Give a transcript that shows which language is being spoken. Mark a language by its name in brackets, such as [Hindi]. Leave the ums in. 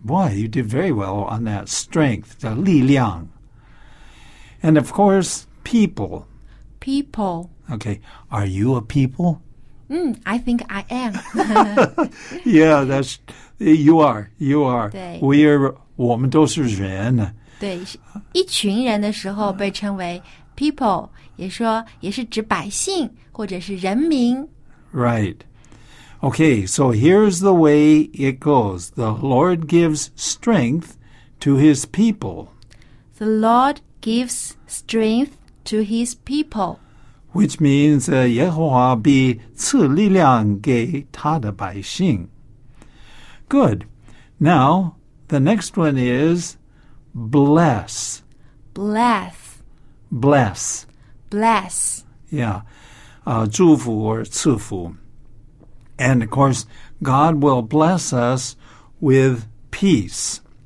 [English] Boy, you did very well on that strength, the li liang. And of course, people. People. Okay, are you a people? Mm, I think I am. yeah, that's you are. You are. We are. [Chinese] 我们都是人。对，一群人的时候被称为 people，也说也是指百姓或者是人民。 [English] Right. Okay, so here's the way it goes The Lord gives strength to his people. The Lord gives strength to his people. Which means uh, [Chinese] 耶和华必赐力量给他的百姓. [English] Good. Now, the next one is bless. Bless. Bless. Bless. bless. Yeah. Uh, 祝福 or 赐福. And of course, God will bless us with peace.